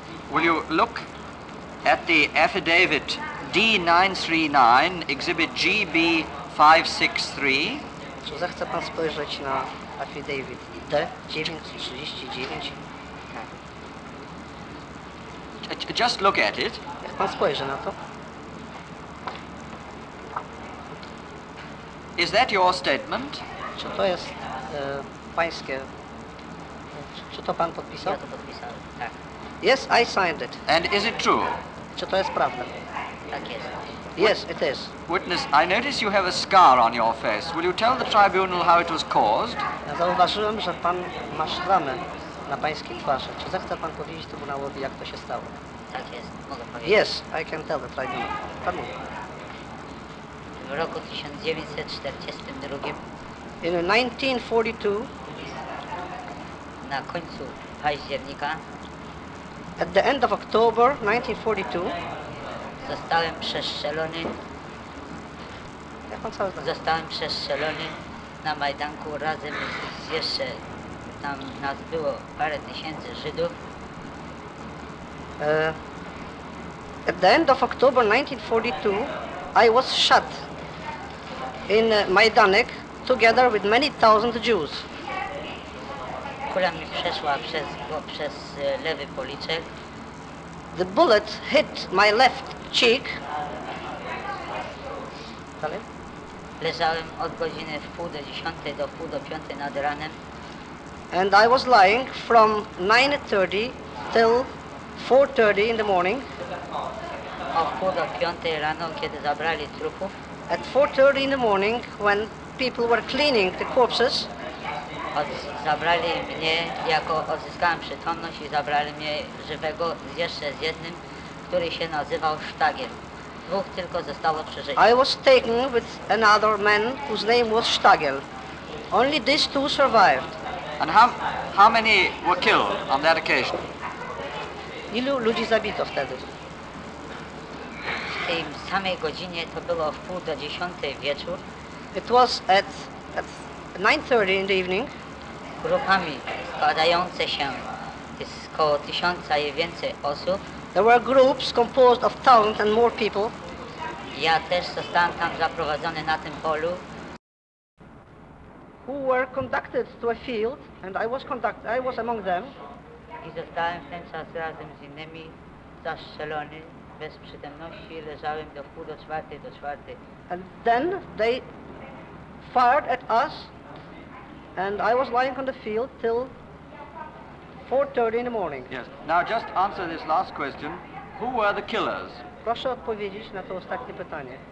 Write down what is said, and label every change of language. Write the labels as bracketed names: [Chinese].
[English] Will you look at the affidavit D939, exhibit GB563? [Polish] Czy zechce pan spojrzeć na affidavit D939? [English] Just look at it. [Polish] Niech pan spojrzy na to. [English] Is that your statement? [Polish] Czy to jest pańskie... Czy to pan podpisał? Ja to podpisałem, tak. [English] Yes, I signed it. And is it true? [Polish] Czy to jest prawda? Tak jest. [English] Yes, it is. Witness, I notice you have a scar on your face. Will you tell the tribunal how it was caused? [Polish] Ja zauważyłem, że pan ma szramę na pańskiej twarzy. Czy zechce pan powiedzieć tribunałowi, jak to się stało? Tak jest, mogę powiedzieć. [English] Yes, I can tell the tribunal. [Polish] Pan mówi. W roku 1942. [English] In 1942. [Polish] Na końcu października. [English] At the end of October 1942. [Polish] Zostałem przestrzelony. Jak pan cały zostałem przestrzelony na Majdanku razem z jeszcze tam nas było parę tysięcy Żydów. [English] At the end of October 1942 I was shot in Majdanek together with many thousand Jews. [Polish] Kula mi przeszła przez lewy policzek. [English] The bullet hit my left cheek. [Polish] Dalej. Leżałem od godziny w pół do dziesiątej do pół do piątej nad ranem. [English] And I was lying from 9:30 till 4:30 in the morning. [Polish] O pół do piątej rano, kiedy zabrali trupów. [English] At 4:30 in the morning, when people were cleaning the corpses. [Polish] Zabrali mnie, jako odzyskałem przytomność i zabrali mnie żywego jeszcze z jednym, który się nazywał Sztagiem. Dwóch tylko zostało przy życiu. [English] I was taken with another man whose name was Sztagiel. Only these two survived. And how many were killed on that occasion? [Polish] Ilu ludzi zabito wtedy? W tej samej godzinie, to było w pół do dziesiątej wieczór. [English] It was at 9:30 in the evening. [Polish] Grupami składające się z około tysiąca i więcej osób. [English] There were groups composed of thousands and more people. [Polish] Ja też zostałem tam zaprowadzony na tym polu. [English] Who were conducted to a field, and I was among them. [Polish] I zostałem w ten czas razem z innymi zastrzelony bez przytomności. Leżałem do pół do czwartej. [English] And then they fired at us. And I was lying on the field till 4:30 in the morning. Yes. Now just answer this last question. Who were the killers? [Polish] Proszę odpowiedzieć na to ostatnie pytanie.